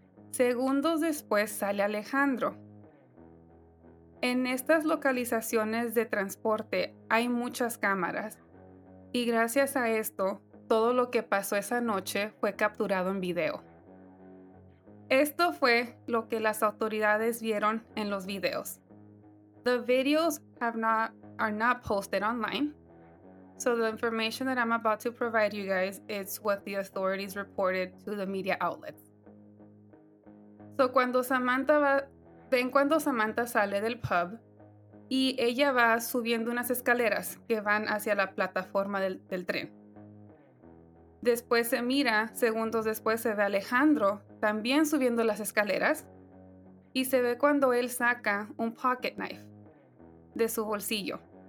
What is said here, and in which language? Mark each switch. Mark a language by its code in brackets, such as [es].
[es] Segundos después sale Alejandro. En estas localizaciones de transporte hay muchas cámaras, y gracias a esto, todo lo que pasó esa noche fue capturado en video. Esto fue lo que las autoridades vieron en los videos. [en] The videos are not posted online. So the information that I'm about to provide you guys is what the authorities reported to the media outlets. [es] So cuando Samantha sale del pub y ella va subiendo unas escaleras que van hacia la plataforma del tren. Después se mira, segundos después se ve Alejandro también subiendo las escaleras y se ve cuando él saca un pocket knife de su bolsillo.